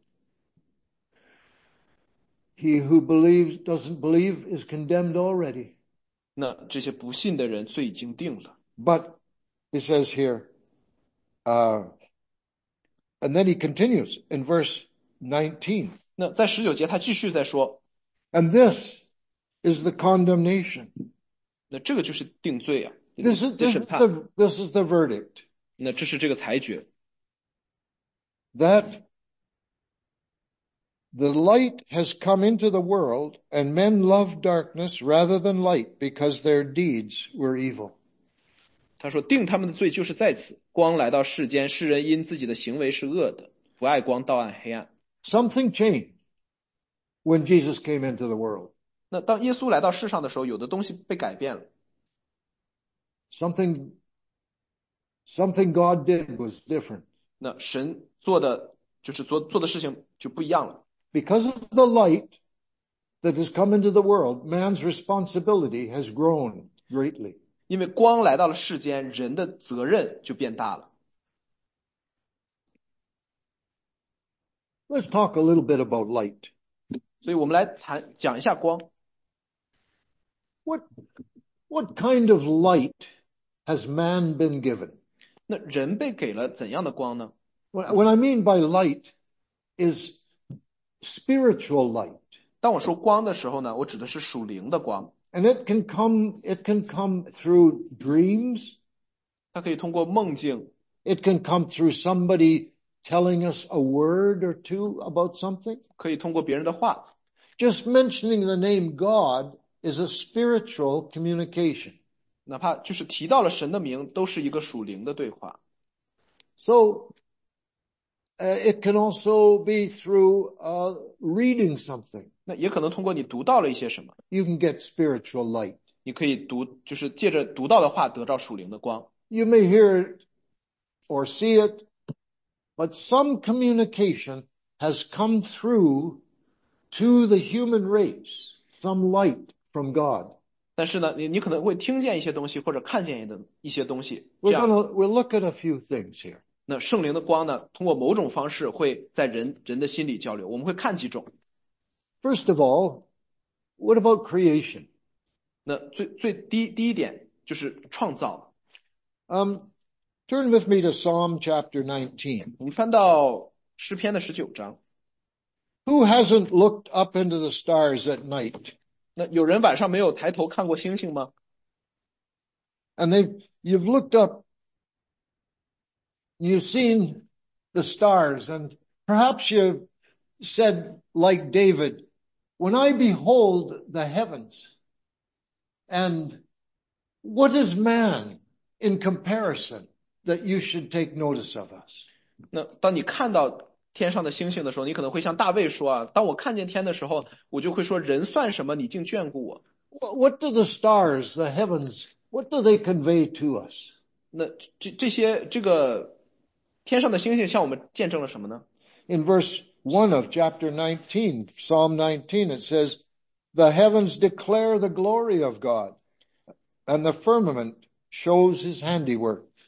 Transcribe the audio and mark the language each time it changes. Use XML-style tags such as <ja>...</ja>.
<zh>这是地上生活的每一个人的命运。</zh> <en>He who believes doesn't believe is condemned already.</en> <zh>那这些不信的人罪已经定了。</zh> <en>But he says here, and then he continues in verse 19.</en> <zh>那在19节他继续在说。</zh> <en>And this is the condemnation.</en> <zh>那这个就是定罪啊。</zh> <en>This is the verdict.</en> <zh>那这是这个裁决,</zh> <en>that the light has come into the world and men love darkness rather than light because their deeds were evil.</en> <zh>他说定他们的罪就是在此，光来到世间，世人因自己的行为是恶的，不爱光，倒爱黑暗。</zh> <en>Something changed when Jesus came into the world.</en> <zh>那当耶稣来到世上的时候，有的东西被改变了。</zh> <en>Something God did was different.</en> <zh>那神做的就是做的事情就不一样了。</zh> <en>Because of the light that has come into the world, man's responsibility has grown greatly.</en> <zh>因为光来到了世间，人的责任就变大了。</zh> <en>Let's talk a little bit about light.</en> <zh>所以我们来讲一下光。</zh> <en>What kind of light has man been given?</en> <zh>那人被给了怎样的光呢？</zh> <en>What I mean by light is spiritual light.</en> <zh>当我说光的时候呢，我指的是属灵的光。</zh> <en>And it can come through dreams.</en> <zh>它可以通过梦境。</zh> <en>It can come through somebody telling us a word or two about something.</en> <zh>可以通过别人的话。</zh> <en>Just mentioning the name God is a spiritual communication.</en> <zh>哪怕就是提到了神的名，都是一个属灵的对话。</zh> <en>It can also be through reading something.</en> <zh>那也可能通过你读到了一些什么，</zh> <en>You can get spiritual light.</en> <zh>你可以读，就是借着读到的话得到属灵的光。</zh> <en>You may hear it or see it, but some communication has come through to the human race, some light from God.</en> <zh>但是呢，你可能会听见一些东西，或者看见一些东西，</zh> <en>We're</en> <zh>这样，</zh> <en>gonna we'll look at a few things here.</en> <zh>那圣灵的光呢，通过某种方式会在人的心里交流，我们会看几种。</zh> <en>First of all, what about creation?</en> <zh>那最第一点就是创造。</zh> <en>Turn with me to Psalm chapter 19.</en> <zh>我们翻到诗篇的19章。</zh> <en>Who hasn't looked up into the stars at night?</en> <zh>那有人晚上没有抬头看过星星吗？</zh> <en>And you've looked up, you've seen the stars, and perhaps you've said, like David, When I behold the heavens, and what is man in comparison that you should take notice of us?</en> <zh>那当你看到天上的星星的时候，你可能会像大卫说啊，当我看见天的时候，我就会说，人算什么？你竟眷顾我。</zh> <en>What do the stars, the heavens, what do they convey to us?</en> <zh>那这个天上的星星向我们见证了什么呢？</zh> <en>In verse 1 of chapter 19, Psalm 19, it says, The heavens declare the glory of God, and the firmament shows his handiwork.</en>